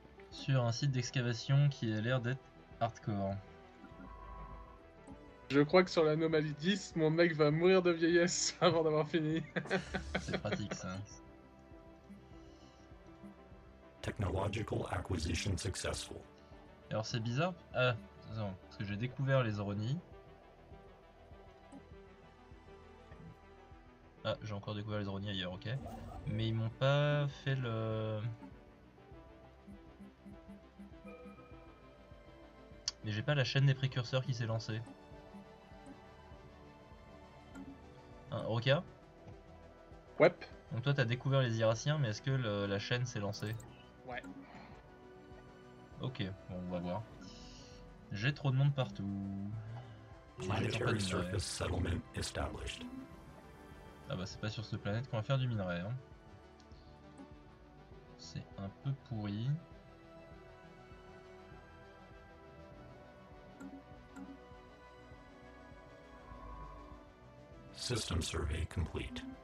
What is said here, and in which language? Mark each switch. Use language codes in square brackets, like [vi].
[fr] Sur un site d'excavation qui a l'air d'être hardcore. Je crois que sur l'anomalie 10, mon mec va mourir de vieillesse avant d'avoir fini. C'est pratique ça. [en] Technological acquisition successful. [fr] Alors c'est bizarre. Ah, non, parce que j'ai découvert les Zoronies. Ah, j'ai encore découvert les Zoronies ailleurs, ok. Mais ils m'ont pas fait le. Mais j'ai pas la chaîne des précurseurs qui s'est lancée. Roka? Ouais. Donc toi t'as découvert les Iraciens, mais est-ce que la chaîne s'est lancée? Ouais. Ok, bon on va voir. J'ai trop de monde partout. J'ai toujours pas de [en] Planetary [fr] minerai. [en] surface settlement established. [fr] Ah bah c'est pas sur cette planète qu'on va faire du minerai, hein. C'est un peu pourri. [en] System survey complete.